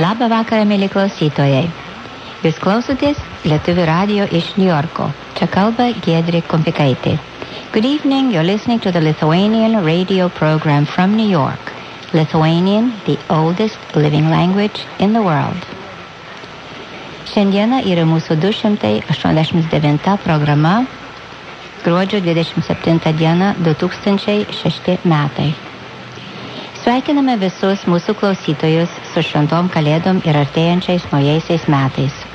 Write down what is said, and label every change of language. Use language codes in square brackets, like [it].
[lt] vakarą, mėly klausytojai. Jūs klausotės Lietuvių radio iš Niujorko. Čia kalba Giedrė Kompikaitė. [en] Good evening, you're listening to the Lithuanian radio program from New York. Lithuanian, the oldest living language in the world. [lt] Šiandieną yra mūsų 289 programa, gruodžio 27 diena 2006 metai. Sveikiname visus mūsų klausytojus su šventom kalėdom ir artėjančiais naujaisiais metais.